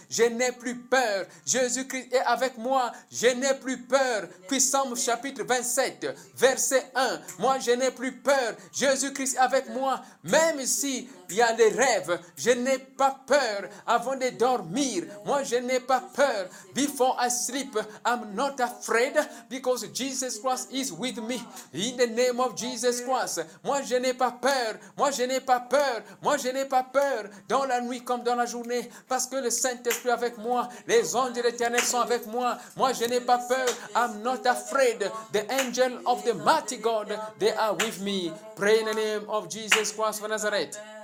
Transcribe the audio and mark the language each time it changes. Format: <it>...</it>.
<fr>Je n'ai plus peur. Jésus-Christ est avec moi. Je n'ai plus peur. Puissance chapitre. Chapitre 27, verset 1. Moi, je n'ai plus peur. Jésus-Christ est avec moi. Même s'il y a des rêves, je n'ai pas peur avant de dormir. Moi, je n'ai pas peur.</fr> <en>Before I sleep, I'm not afraid because Jesus Christ is with me. In the name of Jesus Christ,</en> <fr>moi, je n'ai pas peur. Moi, je n'ai pas peur. Moi, je n'ai pas peur dans la nuit comme dans la journée parce que le Saint-Esprit est avec moi. Les anges de l'Éternel sont avec moi. Moi, je n'ai pas peur.</fr> <en>I'm not afraid. The angel of the mighty God, they are with me. Pray in the name of Jesus Christ of Nazareth.</en>